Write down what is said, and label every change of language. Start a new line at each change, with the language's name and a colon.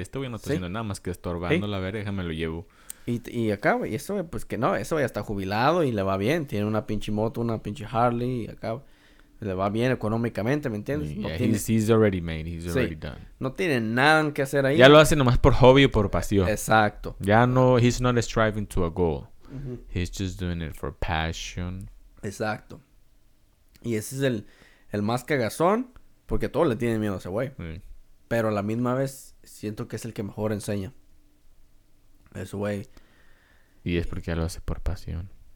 Spanish: Este güey no está haciendo nada más que estorbando la verga, me lo llevo. Y acá, güey, eso, pues, que no, eso ya está jubilado y le va bien. Tiene una pinche moto, una pinche Harley y acá, le va bien económicamente, ¿me entiendes?
English: He's already made, he's already done.
Spanish: No tiene nada que hacer ahí. Ya lo hace nomás por hobby o por pasión. Exacto. Ya no,
English: he's not striving to a goal. Uh-huh. He's just doing it for passion.
Spanish: Exacto. Y ese es el más cagazón, porque todos le tienen miedo a ese güey. Pero a la misma vez, siento que es el que mejor enseña. Eso, güey. Y es porque ya lo hace por pasión.